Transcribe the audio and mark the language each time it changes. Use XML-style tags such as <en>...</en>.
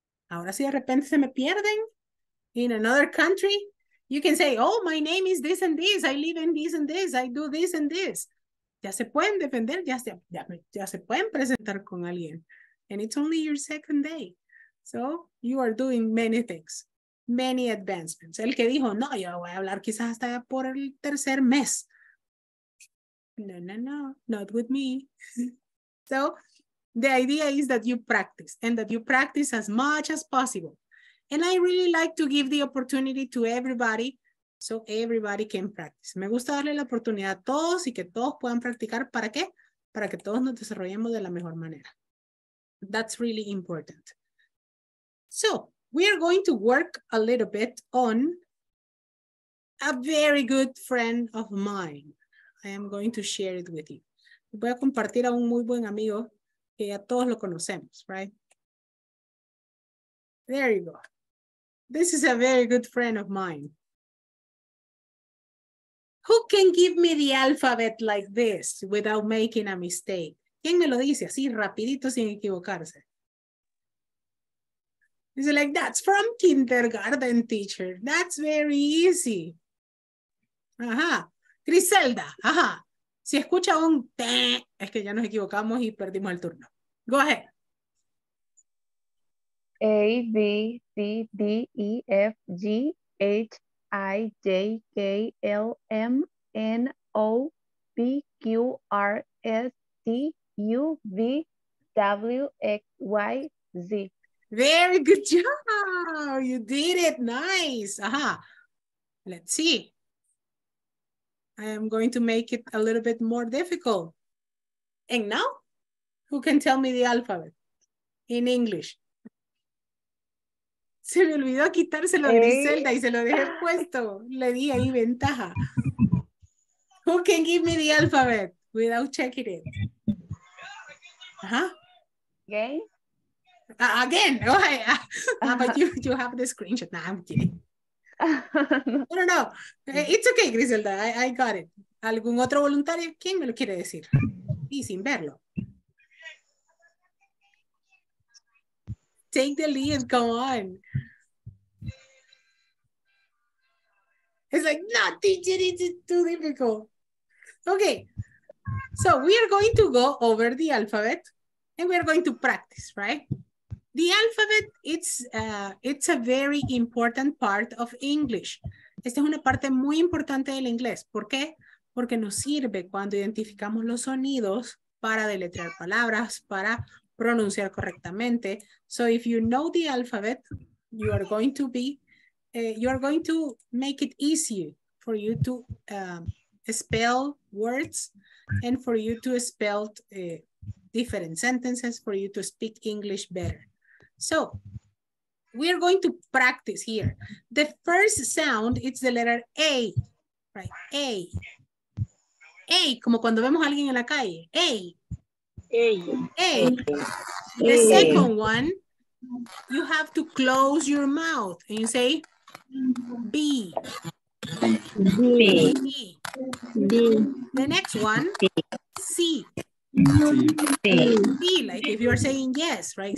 <es>Ahora si de repente se me pierden</es> <en>in another country, you can say, oh, my name is this and this. I live in this and this. I do this and this.</en> <es>Ya se pueden defender. Ya se pueden presentar con alguien.</es> <en>And it's only your second day. So you are doing many things, many advancements.</en> <es>El que dijo, no, yo voy a hablar quizás hasta por el tercer mes.</es> <en>No, no, no, not with me. So the idea is that you practice and that you practice as much as possible. And I really like to give the opportunity to everybody so everybody can practice.</en> <es>Me gusta darle la oportunidad a todos y que todos puedan practicar. ¿Para qué? Para que todos nos desarrollemos de la mejor manera.</es> <en>That's really important. So, we are going to work a little bit on a very good friend of mine. I am going to share it with you.</en> <es>Voy a compartir a un muy buen amigo que ya todos lo conocemos, right?</es> <en>There you go. This is a very good friend of mine. Who can give me the alphabet like this without making a mistake?</en> <es>¿Quién me lo dice así rapidito sin equivocarse?</es> <en>He's like, that's from kindergarten, teacher. That's very easy. Ajá. Griselda. Ajá.</en> <es>Si escucha un te, es que ya nos equivocamos y perdimos el turno.</es> <en>Go ahead. A, B, C, D, E, F, G, H, I, J, K, L, M, N, O, P, Q, R, S, T, U, V, W, X, Y, Z. Very good job. You did it. Nice. Aha. Let's see. I am going to make it a little bit more difficult. And now, who can tell me the alphabet in English?</en> <es>Se me olvidó quitárselo a Griselda y se lo dejé puesto. Le di ahí ventaja.</es> <en>Who can give me the alphabet without checking it? Aha. Okay. Again, oh, yeah. But you have the screenshot. Nah, I'm kidding. No, no, no. It's okay, Griselda. I got it.</en> <es>¿Algún otro voluntario? ¿Quién me lo quiere decir? Y sin verlo.</es> <en>Take the lead, come on. It's like, no, teacher, it's too difficult. Okay. So we are going to go over the alphabet and we are going to practice, right? The alphabet, it's a very important part of English.</en> <es>Esta es una parte muy importante del inglés. ¿Por qué? Porque nos sirve cuando identificamos los sonidos para deletrear palabras, para pronunciar correctamente.</es> <en>So if you know the alphabet, you are going to be, you are going to make it easy for you to spell words and for you to spell different sentences, for you to speak English better. So, we are going to practice here. The first sound, it's the letter A, right? A.</en> <es>A, como cuando vemos a alguien en la calle.</es> <en>A. A. A. A. The second one, you have to close your mouth and you say B. B. B. B. B. The next one, C. B. B, like if you are saying yes, right?</en>